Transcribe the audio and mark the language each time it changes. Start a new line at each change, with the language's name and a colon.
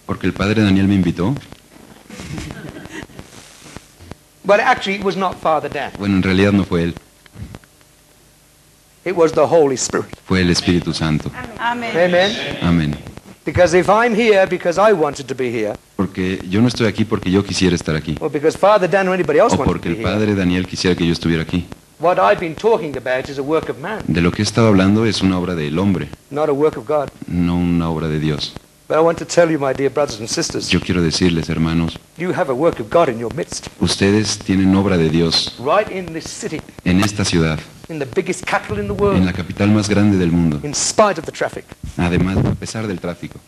Spanish: Porque el Padre Daniel me invitó.
English: But actually it was not Father Dan.
Spanish: Bueno, en realidad no fue él.
English: It was the Holy Spirit.
Spanish: Fue el Espíritu Santo.
English: Amen.
Spanish: Amen.
English: Amen. Because if I'm here because I wanted to be here.
Spanish: Porque yo no estoy aquí porque yo quisiera estar aquí.
English: Or because Father Dan or anybody else wanted to be here.
Spanish: Porque el Padre Daniel quisiera que yo estuviera aquí.
English: What I've been talking about is a work of man.
Spanish: De lo que he estado hablando es una obra del hombre.
English: Not a work of God.
Spanish: No una obra de Dios.
English: But I want to tell you, my dear brothers and sisters.
Spanish: Yo quiero decirles, hermanos.
English: You have a work of God in your midst.
Spanish: Ustedes tienen obra de Dios.
English: Right in this city.
Spanish: En esta ciudad.
English: In the biggest capital in the world.
Spanish: En la capital más grande del mundo.
English: In spite of the traffic.
Spanish: Además, a pesar del tráfico.